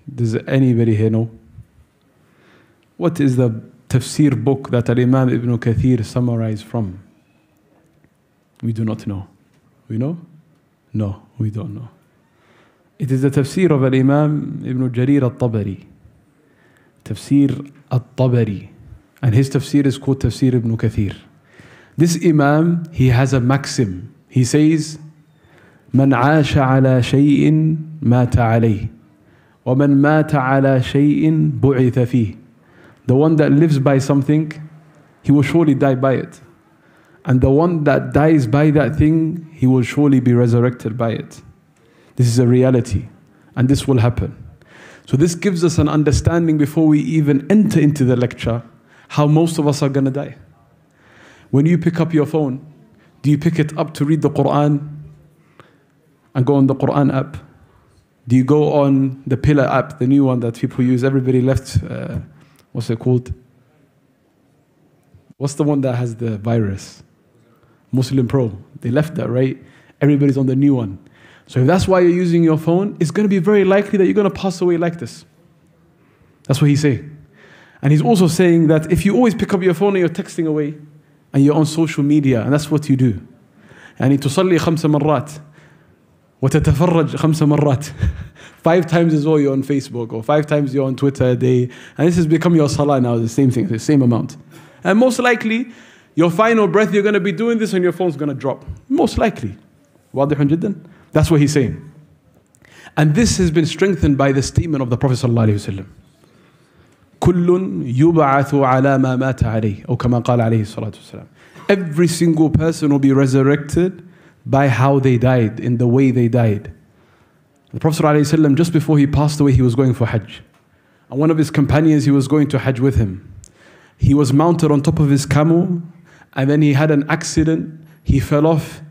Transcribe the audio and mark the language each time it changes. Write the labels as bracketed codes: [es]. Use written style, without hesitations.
[en] Does anybody here know? What is the tafsir book that Al-Imam Ibn Kathir summarized from? We do not know. We know? No, we don't know. It is the tafsir of Al-Imam Ibn Jarir al-Tabari. Tafsir al-Tabari. And his tafsir is called Tafsir Ibn Kathir. This Imam, he has a maxim. He says, [ar] مَنْ عَاشَ عَلَى شَيْءٍ مَاتَ عَلَيْهِ وَمَنْ مَاتَ عَلَى شَيْءٍ بُعِثَ فِيهِ. [en] The one that lives by something, he will surely die by it. And the one that dies by that thing, he will surely be resurrected by it. This is a reality. And this will happen. So this gives us an understanding before we even enter into the lecture, how most of us are going to die. When you pick up your phone, do you pick it up to read the Quran and go on the Quran app? Do you go on the Pillar app, the new one that people use? Everybody left, what's it called? What's the one that has the virus? Muslim Pro. They left that, right? Everybody's on the new one. So if that's why you're using your phone, it's going to be very likely that you're going to pass away like this. That's what he's saying. And he's also saying that if you always pick up your phone and you're texting away, and you're on social media, and that's what you do. And you [ar] تصلي خمس مرات وتتفرج خمس مرات. [en] Five times as well you're on Facebook, or five times you're on Twitter a day. And this has become your salah now, the same thing, the same amount. And most likely, your final breath, you're going to be doing this and your phone's going to drop. Most likely. [ar] واضحون جدا. [en] That's what he's saying. And this has been strengthened by the statement of the Prophet [ar] صلى الله عليه وسلم. كل يبعث على ما مات عليه أو كما قال عليه الصلاة والسلام. [en] Every single person will be resurrected by how they died, in the way they died. The Prophet [ar] صلى الله عليه وسلم, [en] just before he passed away, he was going for Hajj, and one of his companions, he was going to Hajj with him. He was mounted on top of his camel, and then he had an accident. He fell off.